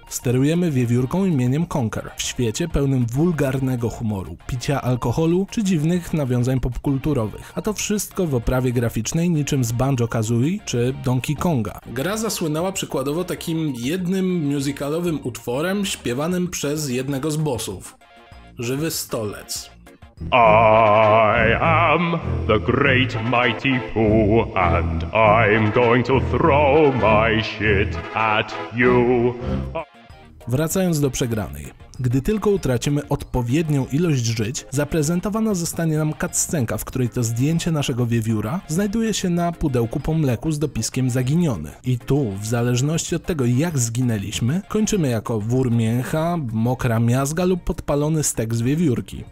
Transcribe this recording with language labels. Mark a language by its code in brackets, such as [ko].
[pl] Sterujemy wiewiórką imieniem Conker w świecie pełnym wulgarnego humoru, picia alkoholu czy dziwnych nawiązań popkultury. A to wszystko w oprawie graficznej niczym z Banjo-Kazooie czy Donkey Konga. Gra zasłynęła przykładowo takim jednym musicalowym utworem śpiewanym przez jednego z bossów. Żywy stolec. [en] I am the great mighty Pooh and I'm going to throw my shit at you. [pl] Wracając do przegranej. Gdy tylko utracimy odpowiednią ilość żyć, zaprezentowana zostanie nam cutscenka, w której to zdjęcie naszego wiewióra znajduje się na pudełku po mleku z dopiskiem zaginiony. I tu, w zależności od tego, jak zginęliśmy, kończymy jako wór mięcha, mokra miazga lub podpalony stek z wiewiórki.